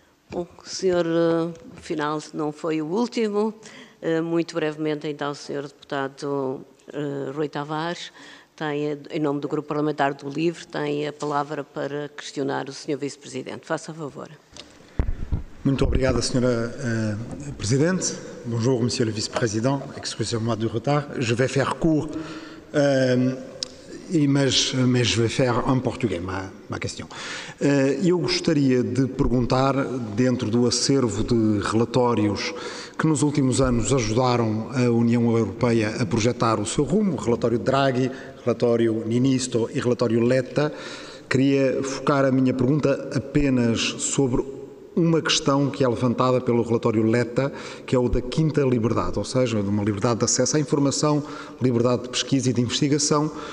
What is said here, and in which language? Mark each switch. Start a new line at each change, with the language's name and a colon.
Portuguese: Bom, senhor, final não foi o último. Muito brevemente, então, senhor deputado Rui Tavares, em nome do Grupo Parlamentar do LIVRE, tem a palavra para questionar o senhor vice-presidente. Faça a favor. Muito obrigado, senhora presidente.
French: Bonjour, monsieur le vice-président. Excusez-moi du retard. Je vais faire court, mas je vais faire en portugais ma question.
Portuguese: Eu gostaria de perguntar, dentro do acervo de relatórios que nos últimos anos ajudaram a União Europeia a projetar o seu rumo, relatório Draghi, relatório Ministro e relatório Letta, queria focar a minha pergunta apenas sobre uma questão que é levantada pelo relatório Letta, que é o da quinta liberdade, ou seja, de uma liberdade de acesso à informação, liberdade de pesquisa e de investigação,